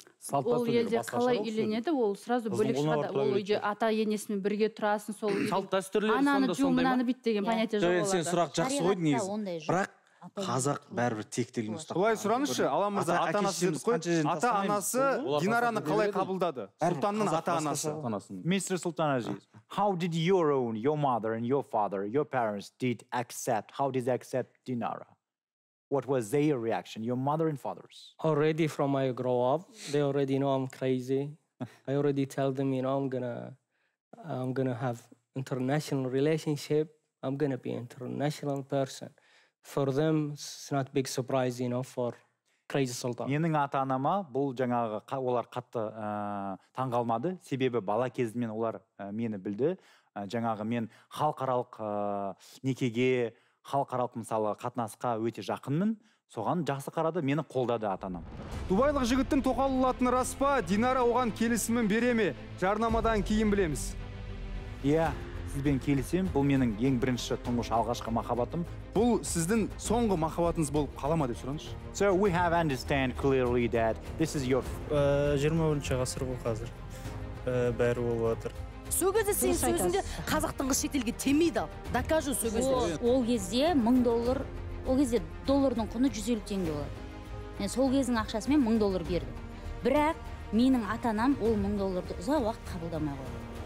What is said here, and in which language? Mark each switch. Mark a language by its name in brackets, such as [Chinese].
[Kazakh] Ол елде қалай үйленеді, ол сразу бөлек шығады. Ол үйде ата енесімен бірге тұрасың, сол салт-дәстүрлер сонда сондай. Ананы жу, мынаны бит деген понятие жоқ олар. Сен сұрақ жақсы қойдың негізі. Бірақ қазақ бәрібір тектілігін ұстап. Солай сұраңызшы, Алан мырза, ата-анасы деп қой. Ата-анасы Динараны қалай қабылдады? Сұлтанның ата-анасы. Мистер Султан Азиз. [English] How did your mother and your father, your parents did accept? How did they accept Dinara? What was their reaction, your mother and father's? Already from I grow up, they already know I'm crazy. I already tell them, you know, I'm gonna have international relationship. I'm gonna be international person. For them, it's not big surprise, you know, for crazy Sultan. [Kazakh] Менің ата-анама бұл жаңағы олар қатты таң қалмады. Себебі бала кезімнен олар мені білді. Жаңағы мен халықаралық некеге халықаралық мысалы қатынасқа өте жақынмын. Соған жақсы қарады, мені қолдады ата-анам. Дубайлық жігіттің тоқал ұлатыны рас па? Динара оған келісімін бере ме? Жарнамадан кейін білеміз. Иә, сізбен келісем. Бұл менің ең бірінші тұңғыш алғашқы махаббатым. Бұл сіздің соңғы махаббатыңыз болып қала ма деп сұраңызшы. [English] So we have understand clearly that this is your [Kazakh] 21-ші ғасыр бұл қазір. Бәрі болып жатыр. Сөгізі сен сөзінде қазақтың қыз шетелге тимейді. Докажу сөгізі. Ол кезде 1000 доллар, ол кезде доллардың құны 150 теңге болады. Мен сол кездің ақшасымен 1000 доллар бердім. Бірақ менің ата-анам ол 1000 долларды ұзақ уақыт қабылдамай қойды.